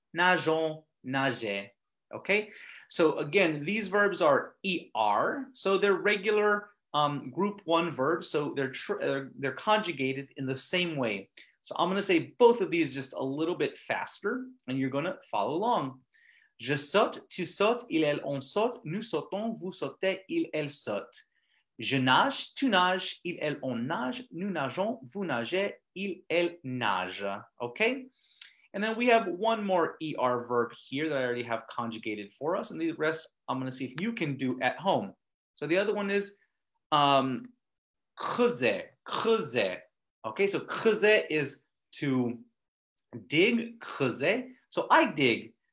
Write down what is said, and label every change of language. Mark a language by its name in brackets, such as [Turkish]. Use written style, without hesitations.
[French] Nageons, nager. [English] Okay? So again, these verbs are ER. So they're regular group one verbs. So they're conjugated in the same way. So I'm going to say both of these just a little bit faster, and you're going to follow along. [French] Je saute, tu sautes, il, elle, on saute, nous sautons, vous sautez, il, elle, saute. Je nage, tu nages, il, elle, on nage, nous nageons, vous nagez, il, elle, nage. [English] Okay? And then we have one more ER verb here that I already have conjugated for us, and the rest I'm going to see if you can do at home. So the other one is creuser, creuser. Okay, so creuser is to dig, creuser. So I dig.